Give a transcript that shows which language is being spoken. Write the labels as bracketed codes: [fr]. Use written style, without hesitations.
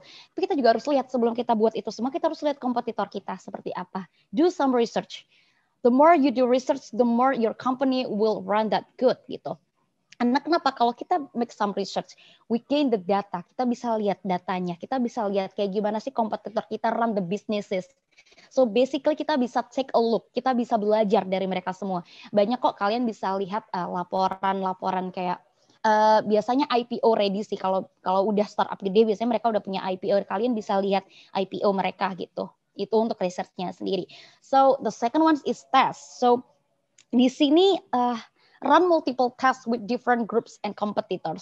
[id] Tapi kita juga harus lihat sebelum kita buat itu semua, kita harus lihat kompetitor kita seperti apa. [en] Do some research. the more you do research, the more your company will run that good gitu. [id] Karena kenapa? Kalau kita make some research, [en] we gain the data, [id] kita bisa lihat datanya, kita bisa lihat kayak gimana sih kompetitor kita [en] run the businesses. [id] So basically kita bisa [en] take a look, [id] kita bisa belajar dari mereka semua. Banyak kok kalian bisa lihat laporan-laporan kayak, biasanya IPO ready sih, kalau udah startup gede biasanya mereka udah punya IPO, kalian bisa lihat IPO mereka gitu. Itu untuk research-nya sendiri. [en] So the second one is test. So di sini, run multiple tests with different groups and competitors.